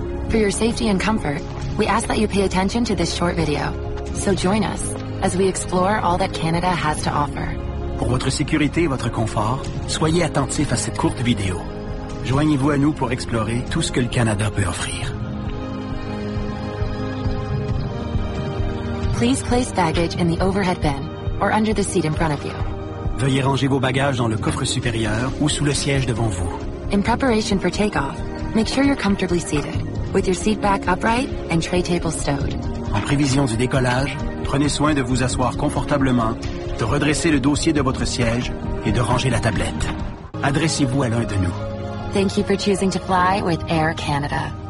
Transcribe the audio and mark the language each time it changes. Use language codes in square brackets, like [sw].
[en] For your safety and comfort, we ask that you pay attention to this short video. So join us as we explore all that Canada has to offer. [fr] Pour votre sécurité et votre confort, soyez attentifs à cette courte vidéo. Joignez-vous à nous pour explorer tout ce que le Canada peut offrir. [en] Please place baggage in the overhead bin or under the seat in front of you. [fr] Veuillez ranger vos bagages dans le coffre supérieur ou sous le siège devant vous. [en] In preparation for takeoff, make sure you're comfortably seated, with your seat back upright and tray table stowed. [fr] En prévision du décollage, prenez soin de vous asseoir confortablement, de redresser le dossier de votre siège et de ranger la tablette. Adressez-vous à l'un de nous. [en] Thank you for choosing to fly with Air Canada.